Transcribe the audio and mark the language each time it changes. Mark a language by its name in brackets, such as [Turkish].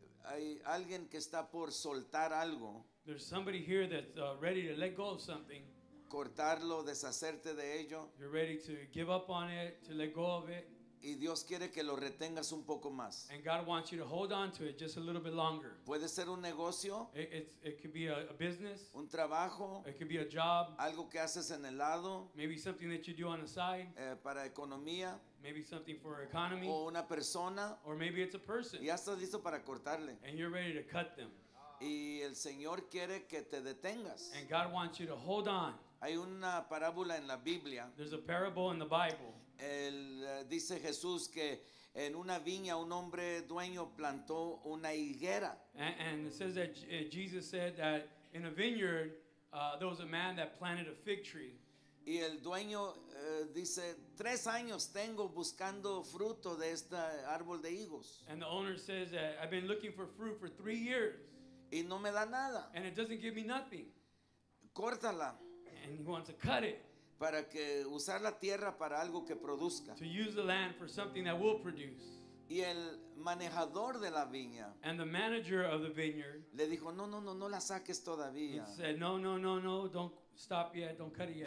[Spanish] Hay alguien que está por soltar algo. [English] There's somebody here that's ready to let go of something. [Spanish] Cortarlo, deshacerte de ello. [English] You're ready to give up on it, to let go of it. [Spanish] Y Dios quiere que lo retengas un poco más. [English] And God wants you to hold on to it just a little bit longer. [Spanish] Puede ser un negocio. [English] It could be a business. [Spanish] Un trabajo. [English] It could be a job. [Spanish] Algo que haces en el lado. [English] Maybe something that you do on the side. [Spanish] Para economía. [English] Maybe something for economy. [Spanish] O una persona. [English] Or maybe it's a person. [Spanish] Ya estás listo para cortarle. [English] And you're ready to cut them. [Spanish] Y el Señor quiere que te detengas. [English] And God wants you to hold on. [Spanish] Hay una parábola en la Biblia. [English] There's a parable in the Bible. [Spanish] Dice Jesús que en una viña un hombre dueño plantó una higuera. [English] And it says that Jesus said that in a vineyard there was a man that planted a fig tree. [Spanish] Y el dueño dice, 3 años tengo buscando fruto de este árbol de higos. [English] And the owner says that I've been looking for fruit for 3 years. [Spanish] Y no me da nada. [English] And it doesn't give me nothing. [Spanish] Córtala. [English] And he wants to cut it. [Spanish] Para que usar la tierra para algo que produzca. [English] To use the land for something that will produce. [Spanish] Y el manejador de la viña. [English] And the manager of the vineyard. [Spanish] Le dijo, no la saques todavía. [English] He said, no, don't stop yet, don't cut it yet.